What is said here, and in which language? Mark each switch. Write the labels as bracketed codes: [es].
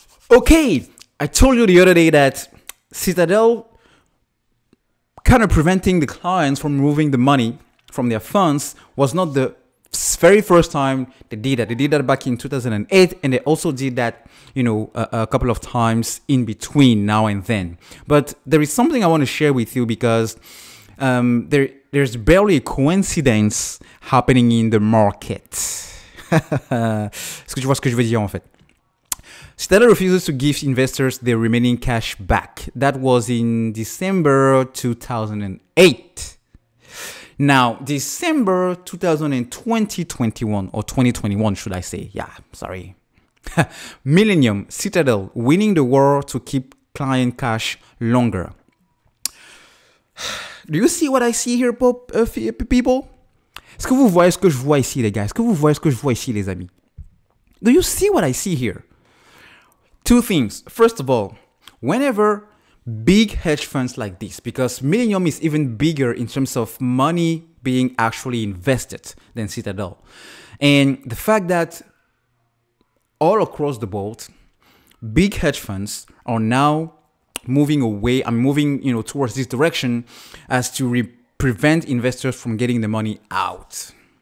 [en] Okay, I told you the other day that Citadel kind of preventing the clients from moving the money from their funds was not the very first time they did that. They did that back in 2008, and they also did that, you know, a couple of times in between now and then. But there is something I want to share with you, because there's barely a coincidence happening in the market. [fr] Est-ce que tu vois ce que je veux dire en fait? [en] Citadel refuses to give investors their remaining cash back. That was in December 2008. Now, December 2021, yeah, sorry. Millennium, Citadel winning the war to keep client cash longer. Do you see what I see here, people? [fr] Est-ce que vous voyez ce que je vois ici, les gars? Est-ce que vous voyez ce que je vois ici, les amis? [en] Do you see what I see here? Two things. First of all, whenever big hedge funds like this, because Millennium is even bigger in terms of money being actually invested than Citadel. And the fact that all across the board, big hedge funds are now moving away, I'm moving, you know, towards this direction as to prevent investors from getting the money out.